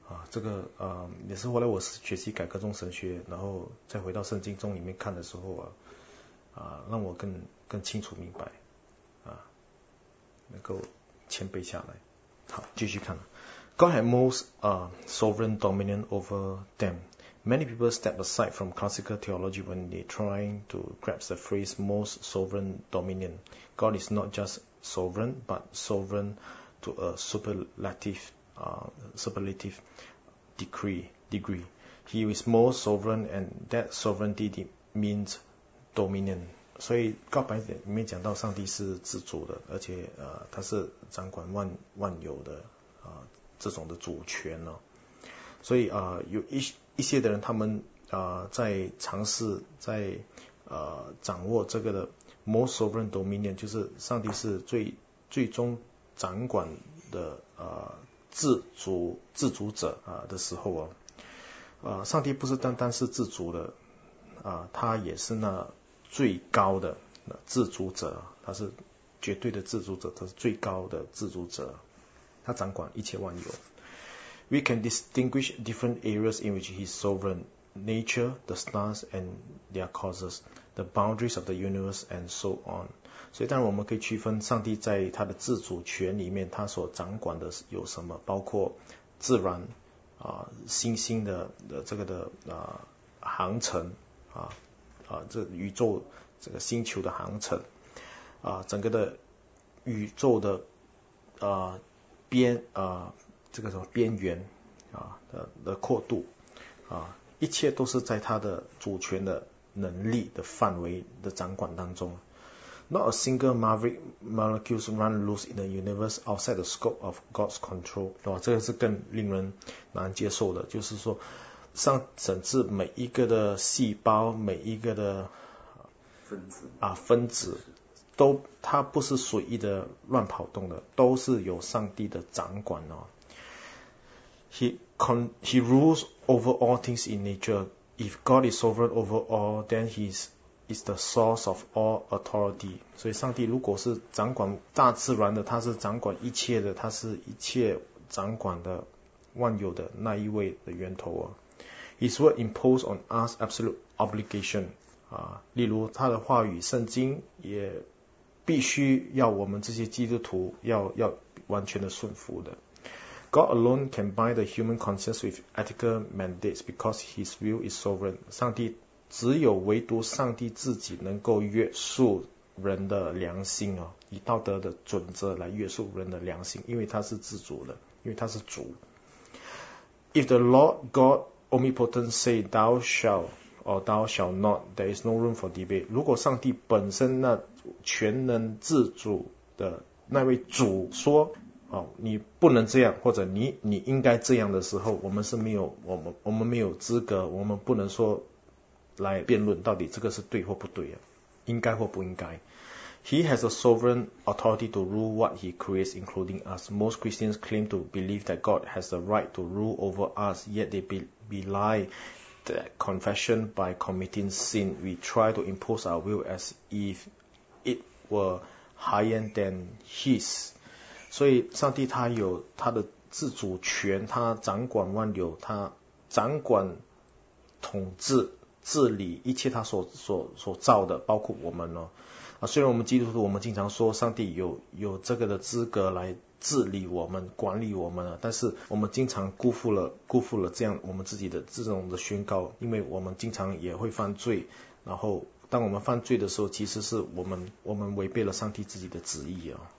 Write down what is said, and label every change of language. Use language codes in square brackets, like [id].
[zh] 这个也是后来我学习改革中神学，然后再回到圣经中里面看的时候让我更清楚明白，能够谦卑下来。好，继续看。 [en] God had most sovereign dominion over them. Many people step aside from classical theology when they're trying to grasp the phrase most sovereign dominion. God is not just sovereign, but sovereign to a superlative, superlative degree. He is more sovereign, and that sovereignty means dominion. [zh] 所以告白里面讲到上帝是自主的，而且他是掌管 万有的这种的主权哦。所以有一些的人，他们在尝试在掌握这个的 [en] most sovereign dominion， [zh] 就是上帝是最终掌管的自主者的时候哦。上帝不是单单是自主的他也是那最高的自主者，他是绝对的自主者，他是最高的自主者，他掌管一切万有。 [en] We can distinguish different areas in which he is sovereign: nature, the stars and their causes, the boundaries of the universe, and so on. [zh] 所以，当然我们可以区分上帝在他的自主权里面，他所掌管的有什么，包括自然星星的这个的航程这宇宙这个星球的航程整个的宇宙的这个什么边缘的阔度一切都是在他的主权的能力的范围的掌管当中。 [en] Not a single maverick molecules run loose in the universe outside the scope of God's control， [zh] 这个是更令人难接受的，就是说上甚至每一个的 [en] 细胞，每一个的 [zh] 分子都它不是随意的乱跑动的，都是有上帝的掌管哦。 [en] He rules over all things in nature. If God is sovereign over all, then he is the source of all authority. [zh] 所以上帝如果是掌管大自然的，他是掌管一切的，他是一切掌管的万有的那一位的源头哦。 [en] His word imposed on us absolute obligation. [zh] 例如他的话语，圣经也必须要我们这些基督徒要完全的顺服的。 [en] God alone can bind the human conscience with ethical mandates because His will is sovereign. [zh] 上帝只有唯独上帝自己能够约束人的良心哦，以道德的准则来约束人的良心，因为他是自主的，因为他是主。 [en] If the Lord God Omnipotent say thou shall or thou shall not, there is no room for debate. [zh] 如果上帝本身那全能自主的那位主说你不能这样，或者你应该这样的时候，我们是没有我们没有资格，我们不能说来辩论到底这个是对或不对啊，应该或不应该。 [en] He has a sovereign authority to rule what he creates, including us. Most Christians claim to believe that God has the right to rule over us, yet they belie that confession by committing sin. We try to impose our will as if it were higher than his. [zh] 所以上帝他有他的自主权，他掌管万有，他掌管统治治理一切他所造的，包括我们虽然我们基督徒我们经常说上帝有这个的资格来治理我们管理我们但是我们经常辜负了这样我们自己的这种的宣告，因为我们经常也会犯罪，然后当我们犯罪的时候，其实是我们违背了上帝自己的旨意。